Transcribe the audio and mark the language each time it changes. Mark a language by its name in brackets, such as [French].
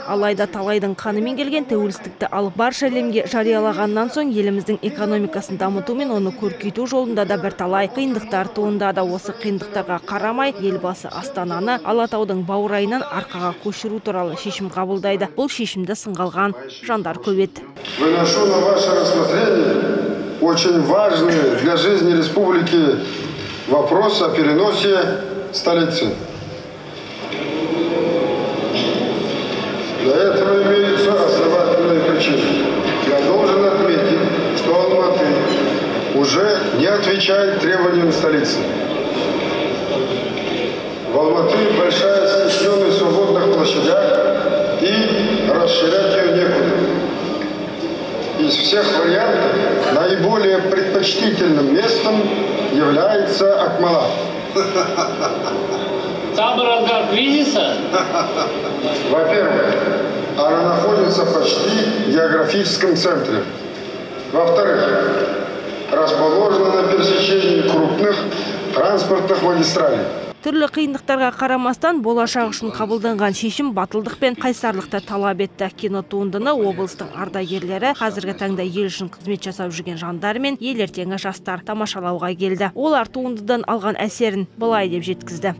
[Kazakh] Алайда талайдың қанымен келген тәуелсіздікті алып барша әлемге жариялағаннан соң еліміздің экономикасын дамыту мен оны көркейту жолында да бірталай қиындықтар туындады. Осы қиындықтарға қарамай елбасы Астананы Алатаудың бауырайынан арқаға көшіру туралы шешім қабылдайды. Бұл шешімді сынғалған жандар көбет. [Russian] Выношу на ваше рассмотрение очень важный для жизни республики вопрос о переносе столицы. Для этого имеются основательные причины. Я должен отметить, что Алматы уже не отвечает требованиям столицы. В Алматы большая стесненность свободных площадях, и расширять ее некуда. Из всех вариантов наиболее предпочтительным местом является Акмала. Самый разгар кризиса? Во-первых, она находится почти в географическом центре. Во-вторых, расположена на пересечении крупных транспортных магистралей. [Kazakh] Түрлі қиындықтарға қарамастан болашақ үшін қабылданған шешім батылдық пен қайсарлықты талап етті. Кино туындыны облыстың ардагерлері қазіргі таңда ел үшін қызмет жасап жүрген жандар мен ел ертеңі жастар тамашалауға келді. Олар туындыдан алған әсерін былай деп жеткізді.